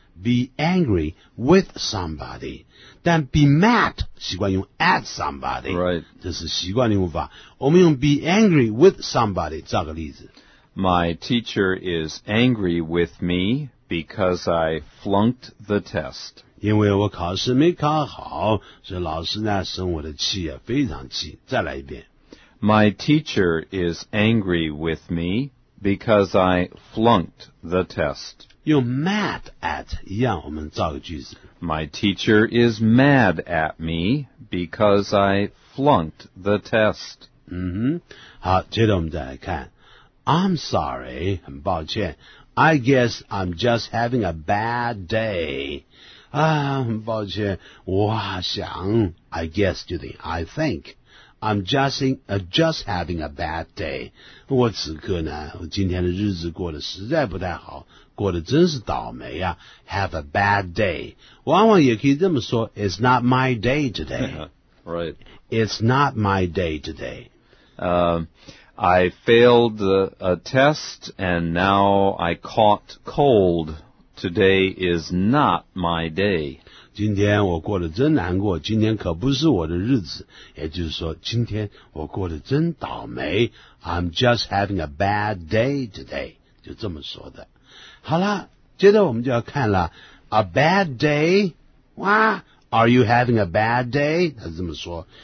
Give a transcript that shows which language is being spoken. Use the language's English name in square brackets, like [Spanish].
[English] Be angry with somebody. 但 be mad [Chinese] 习惯用 [English] at somebody. Right. [Chinese] 这是习惯用法。我们用 [English] be angry with somebody [Chinese] 造个例子。 [English] My teacher is angry with me because I flunked the test. [Chinese] 因为我考试没考好，所以老师呢生我的气啊，非常气。再来一遍。 [English] My teacher is angry with me because I flunked the test. [Chinese] 用 mad at 一样，我们造个句子。 [English] My teacher is mad at me because I flunked the test. [Chinese] 好，接着我们再来看。 [English] I'm sorry, [Chinese] 很抱歉。 [English] I guess I'm just having a bad day. [Chinese] 啊，很抱歉，我想 ， [English] I guess [Chinese] 就等于 [English] I think。 I'm just having a bad day. [Chinese] 我此刻呢，我今天的日子过得实在不太好，过得真是倒霉啊。 [English] Have a bad day. [Chinese] 往往也可以这么说 [English] ,It's not my day today. Right. It's not my day today. I failed a test and now I caught cold. Today is not my day. [Chinese] 今天我过得真难过，今天可不是我的日子。也就是说，今天我过得真倒霉。 [English] I'm just having a bad day today. [Chinese] 就这么说的。好了，接着我们就要看了。 [English] A bad day? What? Are you having a bad day? [Chinese] 他这么说。